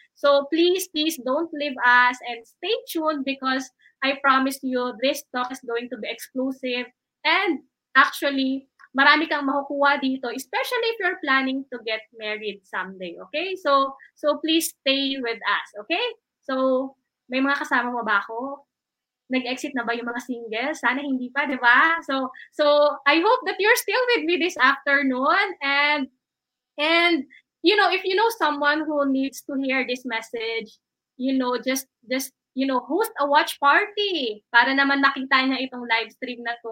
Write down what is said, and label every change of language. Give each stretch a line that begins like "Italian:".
English: So please don't leave us and stay tuned, because I promise you, this talk is going to be exclusive, and actually,
Filipino: marami kang makukuha dito,
English: especially if you're planning to get married someday, okay? So please stay with us, okay?
Filipino: So may mga kasama mo ba ako? Nag-exit na ba yung mga single? Sana hindi pa, di ba?
English: So I hope that you're still with me this afternoon. And you know, if you know someone who needs to hear this message, you know, just you know, host a watch party
Filipino: para naman makita niya itong live stream na to.